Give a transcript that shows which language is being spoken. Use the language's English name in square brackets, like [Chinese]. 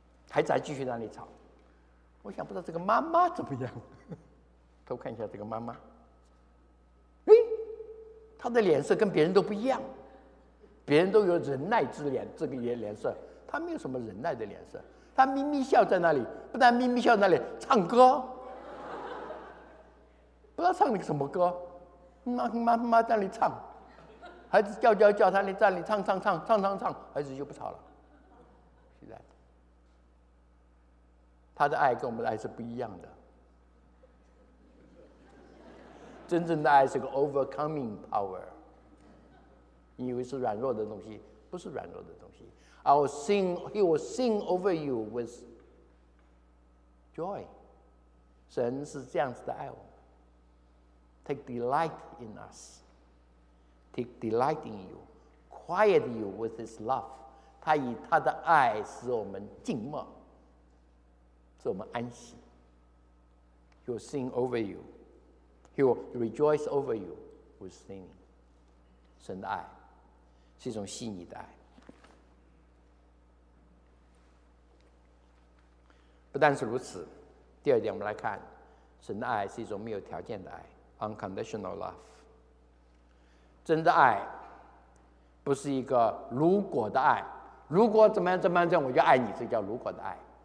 [Chinese] 孩子还继续在那里吵。我想不知道这个妈妈怎么样，偷看一下这个妈妈，哎，她的脸色跟别人都不一样，别人都有忍耐之脸，这个脸色她没有什么忍耐的脸色，她咪咪笑在那里，不但咪咪笑在那里唱歌，不知道唱了什么歌，妈在那里唱，孩子叫叫叫，她在那里唱唱唱唱唱唱，孩子就不吵了。他的爱跟我们的爱是不一样的，真正的爱是个 [English] overcoming power。 [Chinese] 你以为是软弱的东西，不是软弱的东西。 [English] I will sing, He will sing over you with joy。 [Chinese] 神是这样子的爱我们， [English] Take delight in us, Take delight in you, Quiet you with His love。 [Chinese] 他以他的爱使我们静默，使我们安息。 [English] He will sing over you, He will rejoice over you with singing。 [Chinese] 神的爱是一种细腻的爱，不但是如此，第二点我们来看，神的爱是一种没有条件的爱， [English] unconditional love。 [Chinese] 真的爱不是一个如果的爱，如果怎么样怎么样我就爱你，这叫如果的爱。